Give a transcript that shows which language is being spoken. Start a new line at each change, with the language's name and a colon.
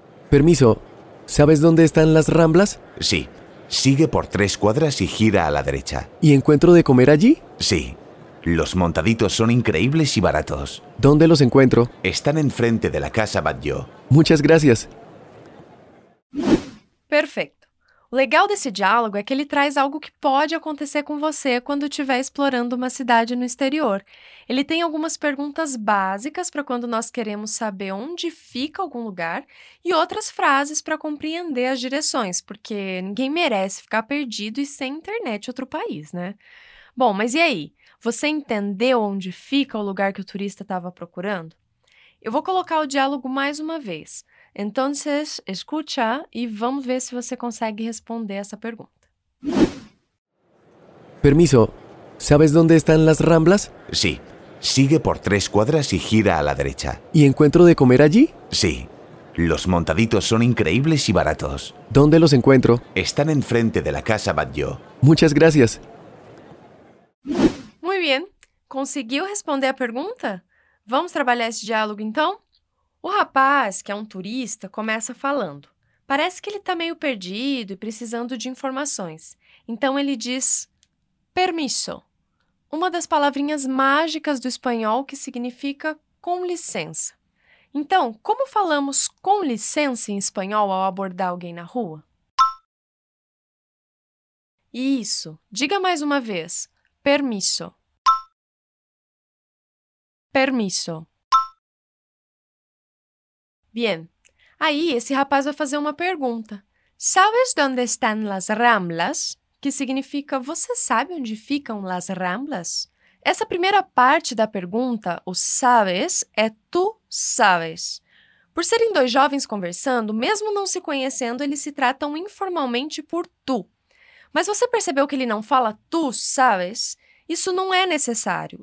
Spanish: Permiso, ¿sabes dónde están las Ramblas? Sí. Sigue por 3 cuadras y gira a la derecha. ¿Y encuentro de comer allí? Sí. Los montaditos son increíbles y baratos. ¿Dónde los encuentro? Están enfrente de la casa Batlló. Muchas gracias. Perfecto.
Portuguese: O legal desse diálogo é que ele traz algo que pode acontecer com você quando estiver explorando uma cidade no exterior. Ele tem algumas perguntas básicas para quando nós queremos saber onde fica algum lugar e outras frases para compreender as direções, porque ninguém merece ficar perdido e sem internet em outro país, né? Bom, mas e aí? Você entendeu onde fica o lugar que o turista estava procurando? Eu vou colocar o diálogo mais uma vez.
Spanish: Entonces, escucha y vamos a ver si
Portuguese: você consegue
Spanish: responder esa pregunta. Permiso, ¿sabes dónde están las Ramblas? Sí, sigue por 3 cuadras y gira a la derecha. ¿Y encuentro de comer allí? Sí, los montaditos son increíbles y baratos. ¿Dónde los encuentro? Están enfrente de la casa Batlló. Muchas gracias. Muy bien, ¿consiguió responder la pregunta? Vamos a trabajar ese diálogo entonces.
Portuguese: O rapaz, que é um turista, começa falando. Parece que ele está meio perdido e precisando de informações. Então, ele diz permiso, uma das palavrinhas mágicas do espanhol que significa com licença. Então, como falamos com licença em espanhol ao abordar alguém na rua? Isso. Diga mais uma vez. Permiso.
Spanish: Permiso.
Portuguese: Bien, aí esse rapaz vai fazer uma pergunta.
Spanish: ¿Sabes dónde están las Ramblas?
Portuguese: Que significa, você sabe onde ficam las Ramblas? Essa primeira parte da pergunta, o sabes, é tu sabes. Por serem dois jovens conversando, mesmo não se conhecendo, eles se tratam informalmente por tu. Mas você percebeu que ele não fala tu sabes? Isso não é necessário.